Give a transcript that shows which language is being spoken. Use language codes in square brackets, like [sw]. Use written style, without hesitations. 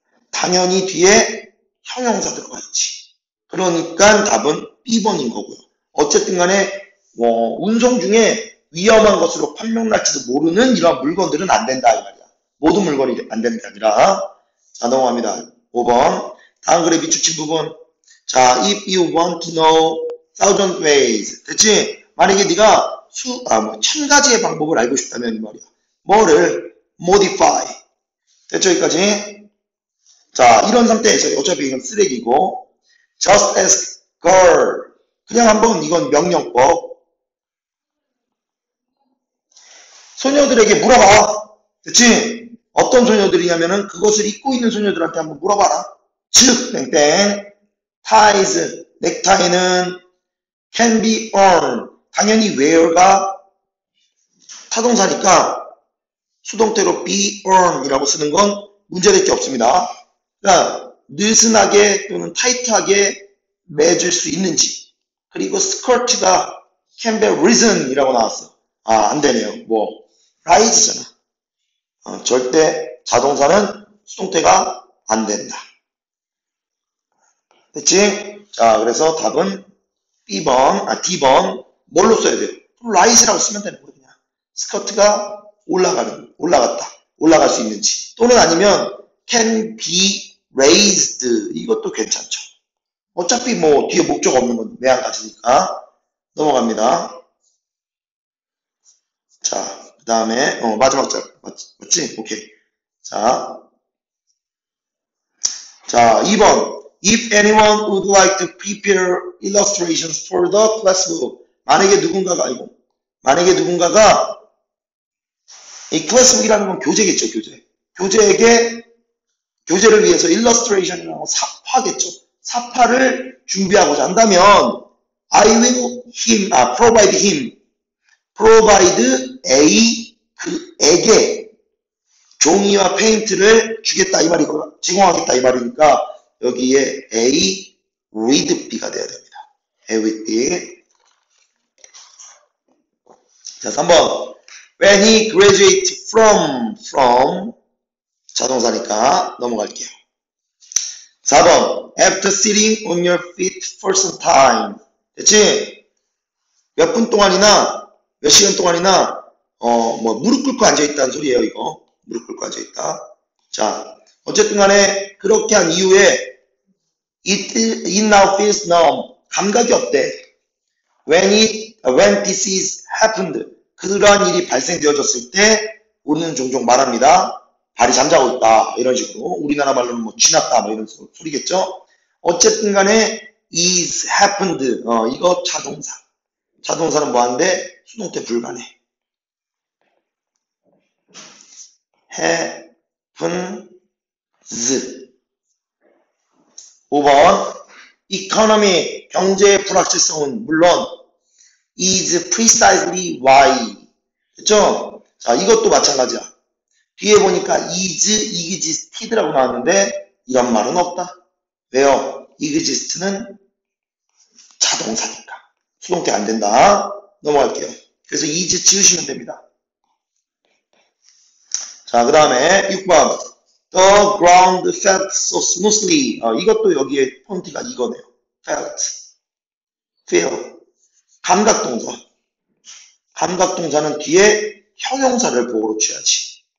[ko] 당연히 뒤에 형용사 들어가야지. 그러니까 답은 B번인 거고요. 어쨌든 간에, 운송 중에 위험한 것으로 판명날지도 모르는 이러한 물건들은 안 된다. 이 말이야. 모든 물건이 안 되는 게 아니라. 자, 넘어갑니다. 5번. 다음 그래프 주친 부분. [en] 자, if you want to know thousand ways. [ko] 됐지? 만약에 네가 천 가지의 방법을 알고 싶다면 이 말이야. 뭐를 modify. 됐죠, 여기까지? 자, 이런 상태에서 어차피 이건 쓰레기고. [en] Just ask girl. [ko] 그냥 한번 이건 명령법. 소녀들에게 물어봐. 됐지? 어떤 소녀들이냐면은 그것을 입고 있는 소녀들한테 한번 물어봐라. 즉, 땡땡. [en] ties, 넥타이는 can be earned. [ko] 당연히 wear가 타동사니까 수동태로 be earned이라고 쓰는 건 문제될 게 없습니다. 그러니까 느슨하게 또는 타이트하게 매줄 수 있는지. 그리고 skirt가 [en] can be risen [ko] 이라고 나왔어. 아, 안 되네요. 뭐, rise잖아. 절대 자동사는 수동태가 안 된다. 됐지? 자, 그래서 답은 B번, 아, D번. 뭘로 써야 돼요? 라이즈라고 쓰면 되는 거거든요. 스커트가 올라갔다. 올라갈 수 있는지. 또는 아니면 [en] can be raised. [ko] 이것도 괜찮죠. 어차피 뭐 뒤에 목적 없는 건 매한가지니까. 넘어갑니다. 자, 그 다음에, 마지막 자, 맞지? 오케이. 자, 2번. [en] If anyone would like to prepare illustrations for the classbook. [ko] 만약에 누군가가, 이거. 만약에 누군가가, 이 classbook이라는 건 교재겠죠, 교재. 교재를 위해서 illustration이라는 건 삽화겠죠. 삽화를 준비하고자 한다면, [en] I will him, provide him, provide a, [ko] 그에게, 종이와 페인트를 주겠다 이 말이고 제공하겠다 이 말이니까 여기에 A with B가 돼야 됩니다. A with B. 자, 3번. [en] When he graduates from [ko] 자동사니까 넘어갈게요. 4번. [en] After sitting on your feet for some time. [ko] 됐지? 몇분 동안이나 몇 시간 동안이나 무릎 꿇고 앉아 있다는 소리예요, 이거. 무릎 꿇고 앉아있다. 자, 어쨌든 간에 그렇게 한 이후에 [en] it now feels numb. [ko] 감각이 없대. [en] When this is happened. [ko] 그러한 일이 발생되어졌을 때 우리는 종종 말합니다. 발이 잠자고 있다. 이런 식으로. 우리나라 말로는 뭐 지났다. 뭐 이런 소리겠죠. 어쨌든 간에 [en] is happened. [ko] 이거 자동사. 자동사는 뭐 하는데? 수동태 불가능해. [en] happens. [ko] 5번. [en] economy, [ko] 경제의 불확실성은 물론 [en] is precisely why. [ko] 됐죠? 자, 이것도 마찬가지야. 뒤에 보니까 is, exist라고 나왔는데 이런 말은 없다. 왜요? exist는 자동사니까. 수동태 안 된다. 넘어갈게요. 그래서 is 지우시면 됩니다. 자, 그 다음에 6번. [en] The ground felt so smoothly. [ko] 이것도 여기에 포인트가 이거네요. felt, feel. 감각 동사. 감각 동사는 뒤에 형용사를 보호로 취하지.